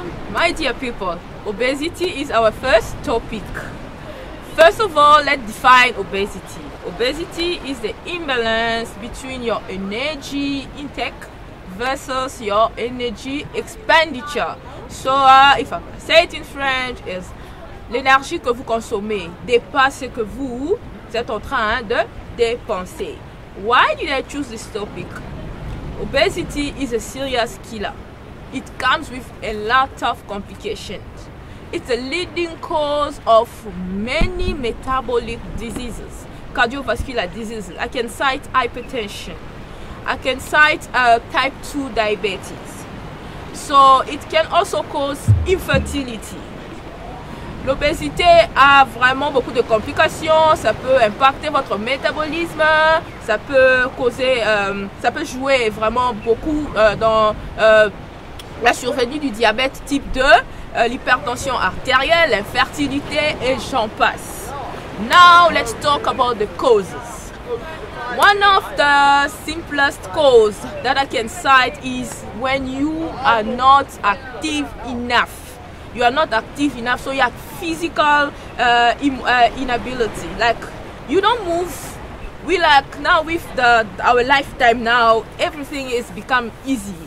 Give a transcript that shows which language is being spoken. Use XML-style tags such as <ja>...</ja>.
<en>My dear people, obesity is our first topic. First of all, let's define obesity. Obesity is the imbalance between your energy intake versus your energy expenditure. So, if I say it in French, is</en> <fr>l'énergie que vous consommez dépasse ce que vous êtes en train de dépenser.</fr> <en>Why did I choose this topic? Obesity is a serious killer. It comes with a lot of complications. It's a leading cause of many metabolic diseases, cardiovascular diseases. I can cite hypertension. I can cite type 2 diabetes. So it can also cause infertility.</en> <fr>L'obésité a vraiment beaucoup de complications. Ça peut impacter votre métabolisme. Ça peut causer, ça peut jouer vraiment beaucoup dans la survenue du diabète type 2, l'hypertension artérielle, l'infertilité et j'en passe.</fr> <en>Now let's talk about the causes. One of the simplest causes that I can cite is when you are not active enough. You are not active enough, so you have physical inability. Like, you don't move. We like, now with the our lifetime now, everything has become easy.</en>